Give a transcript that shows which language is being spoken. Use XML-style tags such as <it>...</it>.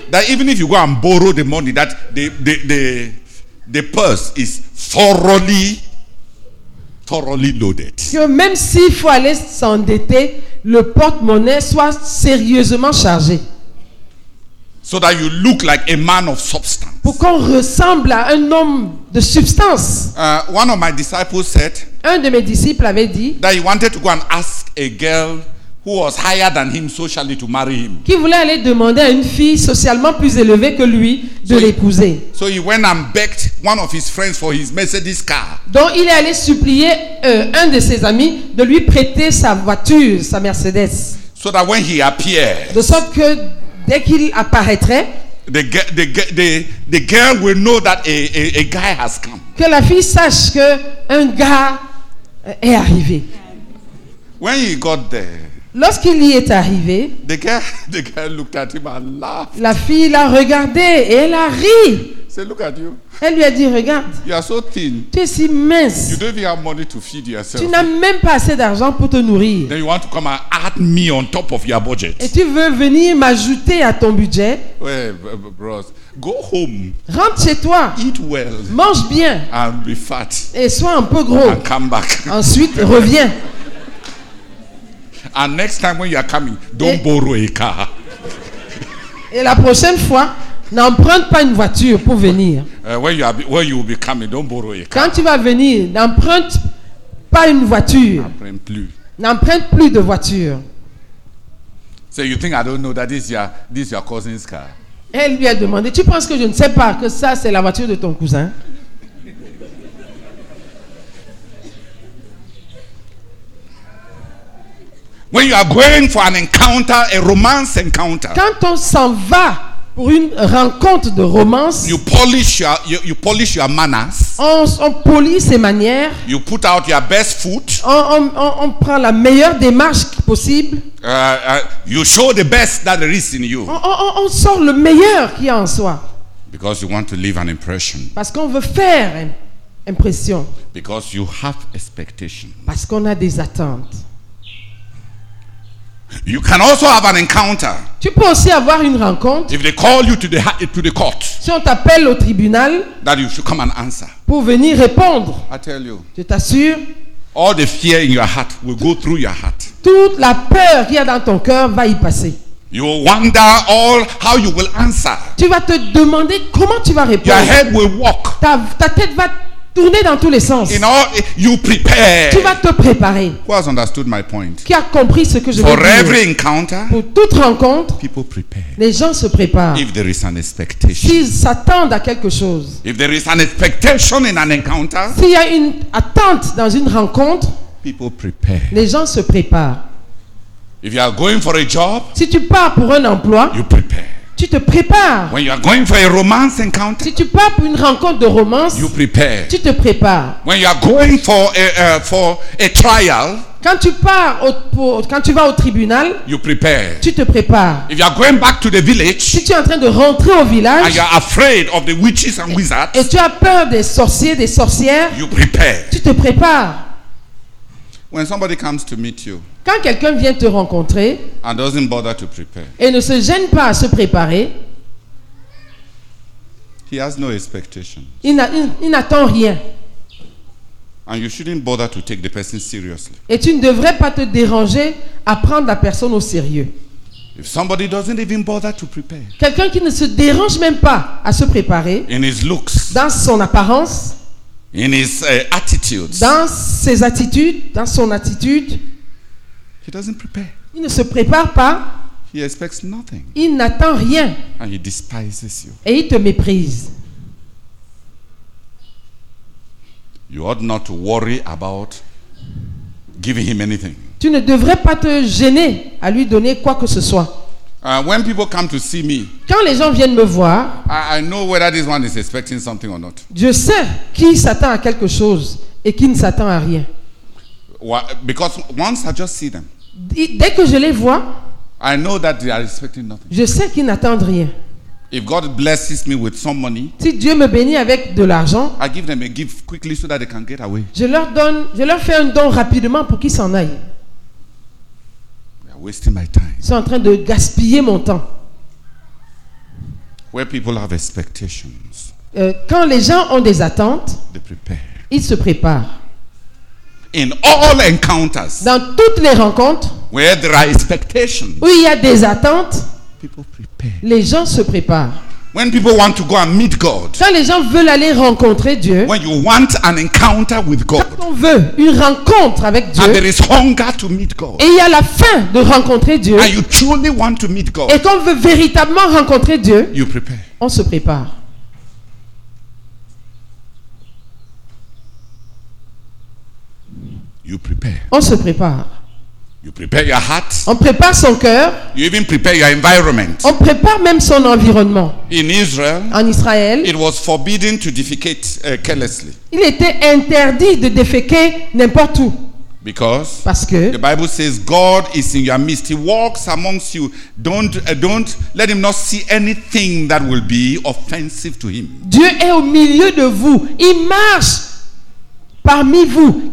<en>That even if you go and borrow the money, that the purse is thoroughly loaded.</en> <fr>Que même s'il faut aller s'endetter, le porte-monnaie soit sérieusement chargé.</fr> <en>So that you look like a man of substance.</en> <fr>Pour qu'on ressemble à un homme de substance.</fr> <en>One of my disciples said.</en> <fr>Un de mes disciples avait dit.</fr> <en>That he wanted to go and ask a girl who was higher than him socially to marry him.</en> <fr>Qui voulait aller demander à une fille socialement plus élevée que lui de l'épouser.</fr> <en>So he went and begged one of his friends for his Mercedes car.</en> <fr>Donc il est allé supplier un de ses amis de lui prêter sa voiture, sa Mercedes.</fr> <en>So that when he appeared.</en> <fr>De sorte que dès qu'il apparaîtrait,</fr> <en>the girl will know that a guy has come.</en> <fr>Que la fille sache que un gars est arrivé.</fr> <en>When he got there.</en> <fr>Lorsqu'il y est arrivé,</fr> <en>the girl looked at him and laughed.</en> <fr>La fille l'a regardé et elle a ri.</fr> <en>Say, look at you.</en> <fr>Elle lui a dit, regarde,</fr> <en>you are so thin.</en> <fr>Tu es si mince.</fr> <en>You don't even have money to feed yourself.</en> <fr>Tu n'as même pas assez d'argent pour te nourrir.</fr> <en>Then you want to come and add me on top of your budget.</en> <fr>Et tu veux venir m'ajouter à ton budget.</fr> <en>Ouais, bros, go home.</en> <fr>Rentre chez toi.</fr> <en>Eat well.</en> <fr>Mange bien.</fr> <en>And be fat.</en> <fr>Et sois un peu gros.</fr> <en>And come back.</en> <fr>Ensuite, reviens.</fr> <en>And next time when you are coming, don't borrow a car.</en> <fr>Et la prochaine fois, n'emprunte pas une voiture pour venir.</fr> <en>When you will be coming, don't borrow a car.</en> <fr>Quand tu vas venir, n'emprunte pas une voiture. N'emprunte plus de voiture.</fr> <en>So you think I don't know that this is your cousin's car?</en> <fr>Elle lui a demandé, tu penses que je ne sais pas que ça c'est la voiture de ton cousin?</fr> <en>When you are going for an encounter, a romance encounter.</en> <fr>Quand on s'en va pour une rencontre de romance.</fr> <en>You polish your manners.</en> <fr>On polit ses manières.</fr> <en>You put out your best foot.</en> <fr>On prend la meilleure démarche possible.</fr> <en>You show the best that there is in you.</en> <fr>On sort le meilleur qu'il y a en soi.</fr> <en>Because you want to leave an impression.</en> <fr>Parce qu'on veut faire une impression.</fr> <en>Because you have expectations.</en> <fr>Parce qu'on a des attentes.</fr> <en>You can also have an encounter.</en> <fr>Tu peux aussi avoir une rencontre.</fr> <en>If they call you to the court.</en> <fr>Si on t'appelle au tribunal.</fr> <en>That you should come and answer.</en> <fr>Pour venir répondre.</fr> <en>I tell you.</en> <fr>Je t'assure.</fr> <en>All the fear in your heart will go through your heart.</en> <fr>Toute la peur qu'il y a dans ton cœur va y passer.</fr> <en>You will wonder all how you will answer.</en> <fr>Tu vas te demander comment tu vas répondre.</fr> <en>Your head will walk.</en> <fr>Ta tête va tourner dans tous les sens.</fr> <en>In all, you prepare.</en> <fr>Tu vas te préparer.</fr> <en>Who has understood my point?</en> <fr>Qui a compris ce que je</fr> <en>for</en> <fr>veux dire?</fr> <en>Every encounter,</en> <fr>pour toute rencontre,</fr> <en>people prepare.</en> <fr>Les gens se préparent.</fr> <en>If there is an expectation.</en> <fr>S'ils s'attendent à quelque chose.</fr> <en>If there is an expectation in an encounter,</en> <fr>s'il y a une attente dans une rencontre,</fr> <en>people prepare.</en> <fr>Les gens se préparent.</fr> <en>If you are going for a job,</en> <fr>si tu pars pour un emploi,</fr> <en>you prepare.</en> <fr>Tu te prépares.</fr> <en>When you are going for a romance encounter,</en> <fr>si tu pars pour une rencontre de romance,</fr> <en>you prepare.</en> <fr>Tu te prépares.</fr> <en>When you are going for a trial,</en> <fr>Quand tu pars au, pour, quand tu vas au tribunal,</fr> <en>you prepare.</en> <fr>Tu te prépares.</fr> <en>If you are going back to the village,</en> <fr>si tu es en train de rentrer au village,</fr> <en>and you are afraid of the witches and wizards,</en> <fr>et tu as peur des sorciers, des sorcières,</fr> <en>you prepare.</en> <fr>Tu te prépares.</fr> <en>When somebody comes to meet you,</en> <fr>quand quelqu'un vient te rencontrer</fr> <en>and doesn't bother to prepare,</en> <fr>et ne se gêne pas à se préparer,</fr> <en>he has no expectations.</en> <fr>Il n'attend rien.</fr> <en>And you shouldn't bother to take the person seriously.</en> <fr>Et tu ne devrais pas te déranger à prendre la personne au sérieux.</fr> <en>If somebody doesn't even bother to prepare,</en> <fr>quelqu'un qui ne se dérange même pas à se préparer,</fr> <en>in his looks,</en> <fr>dans son apparence,</fr> <en>in his attitudes,</en> <fr>dans ses attitudes, dans son attitude,</fr> <en>he doesn't prepare.</en> <fr>Il ne se prépare pas.</fr> <en>He expects nothing.</en> <fr>Il n'attend rien.</fr> <en>And he despises you.</en> <fr>Et il te méprise.</fr> <en>You ought not to worry about giving him anything.</en> <fr>Tu ne devrais pas te gêner à lui donner quoi que ce soit.</fr> <en>When people come to see me,</en> <fr>quand les gens viennent me voir,</fr> <en>I know whether this one is expecting something or not.</en> <fr>Je sais qui s'attend à quelque chose et qui ne s'attend à rien.</fr> <en>Well, because once I just see them,</en> <fr>dès que je les vois,</fr> <en>I know that they are expecting nothing.</en> <fr>Je sais qu'ils n'attendent rien.</fr> <en>If God blesses me with some money,</en> <fr>si Dieu me bénit avec de l'argent,</fr> <en>I give them a gift quickly so that they can get away.</en> <fr>Je leur fais un don rapidement pour qu'ils s'en aillent.</fr> <en>They are wasting my time.</en> <fr>Ils sont en train de gaspiller mon temps.</fr> <en>Where people have expectations,</en> <fr>quand les gens ont des attentes,</fr> <en>they prepare.</en> <fr>Ils se préparent.</fr> <en>In all encounters,</en> <fr>dans toutes les rencontres,</fr> <en>where there are expectations,</en> <fr>où il y a des attentes,</fr> <en>people prepare.</en> <fr>Les gens se préparent.</fr> <en>When people want to go and meet God,</en> <fr>quand les gens veulent aller rencontrer Dieu,</fr> <en>when you want an encounter with God,</en> <fr>quand on veut une rencontre avec Dieu,</fr> <en>and there is hunger to meet God,</en> <fr>et il y a la faim de rencontrer Dieu,</fr> <en>and you truly want to meet God,</en> <fr>et qu'on veut véritablement rencontrer Dieu,</fr> <en>you prepare.</en> <fr>On se prépare.</fr> <en>You prepare.</en> <fr>On se prépare.</fr> <en>You prepare your heart.</en> <fr>On prépare son cœur.</fr> <en>You even prepare your environment.</en> <fr>On prépare même son environnement.</fr> <en>In Israel,</en> <fr>en Israël,</fr> <en>it was forbidden to defecate carelessly.</en> <fr>Il était interdit de déféquer n'importe où.</fr> <en>Because,</en> <fr>parce que,</fr> <en>the Bible says God is in your midst. He walks amongst you. Don't let him not see anything that will be offensive to him.</en> <fr>Dieu est au milieu de vous. Il marche parmi vous.</fr>